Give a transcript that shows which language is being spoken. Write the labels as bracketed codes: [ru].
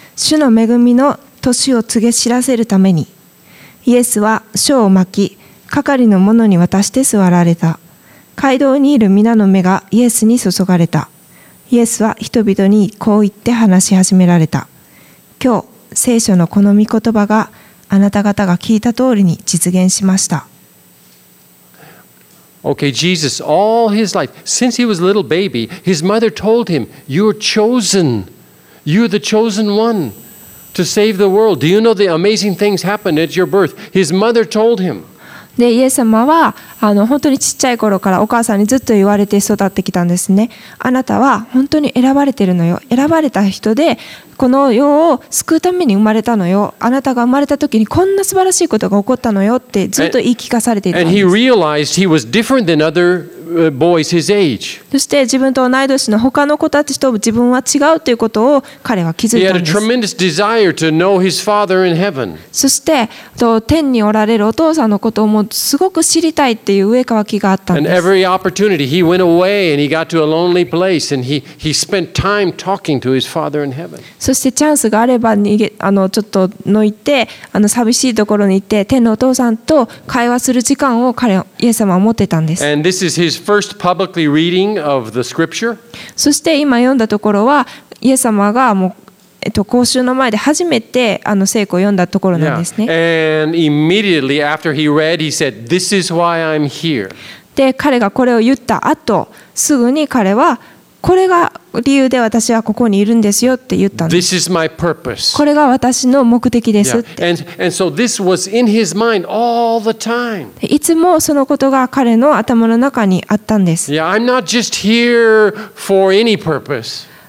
[ja] 主の恵みの年を告げ知らせるために。イエスは書を巻き、係の者に渡して座られた。街道にいる皆の目がイエスに注がれた。イエスは人々にこう言って話し始められた。今日、聖書のこの御言葉があなた方が聞いた通りに実現しました。 [en] Okay, Jesus, all his life, since he was a little baby, his mother told him, You're chosen. You're the chosen one to save the world. Do you know the amazing things happened at your birth? His mother told him. [ja] でイエス様は本当にちっちゃい頃からお母さんにずっと言われて育ってきたんですね。あなたは本当に選ばれてるのよ。選ばれた人でこの世を救うために生まれたのよ。あなたが生まれた時にこんな素晴らしいことが起こったのよってずっと言い聞かされていたんです。 [en] And he realized he was different than other boys his age. [ja] そして自分と同い年の他の子たちと自分は違うということを彼は気づいたんです。 [en] He had a tremendous desire to know his father in heaven. [ja] そして天におられるお父さんのことをもうすごく知りたいっていう上渇きがあったんです。 [en] And every opportunity he went away and he got to a lonely place and he spent time talking to his father in heaven. [ja] そしてチャンスがあれば逃げちょっと抜いて寂しいところに行って天のお父さんと会話する時間を彼イエス様は持ってたんです。 [en] And this is his first publicly reading of the scripture. [ja] そして今読んだところはイエス様がもう公衆の前で初めて聖句を読んだところなんですね。 [en] Yeah. And immediately after he read, he said, "This is why I'm here." [ja] で彼がこれを言った後すぐに彼はこれが理由で私はここにいるんですよって言ったんです。 [en] This is my purpose. [ja] これが私の目的ですって。 [en] Yeah. And so this was in his mind all the time. [ja] いつもそのことが彼の頭の中にあったんです。 [en] Yeah, I'm not just here for any purpose.